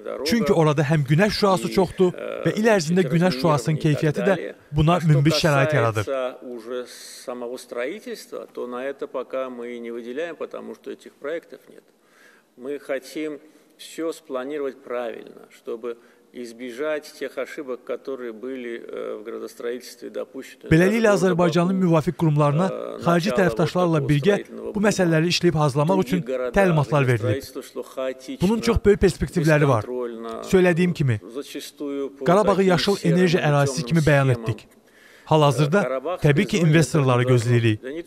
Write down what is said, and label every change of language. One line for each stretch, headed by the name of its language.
Azerbaijani: Çünki orada həm günəş şüası çoxdur və il ərzində günəş şüasının keyfiyyəti də buna münbit şərait yaradır.
Russian: Самого строительства, то на это пока мы и не выделяем, потому что этих проектов нет. Мы хотим все спланировать правильно, чтобы избежать тех ошибок, которые были в градостроительстве допущены.
Azerbaijani: Beləliklə, Azərbaycanın müvafiq qurumlarına xarici tərəfdaşlarla birgə bu məsələləri işləyib hazırlamaq üçün təlimatlar verilib. Bunun çox böyük perspektivləri var. Söylədiyim kimi, Qarabağı yaşıl enerji ərazisi kimi bəyan etdik. Hal-hazırda təbii ki, investorları gözləyirik.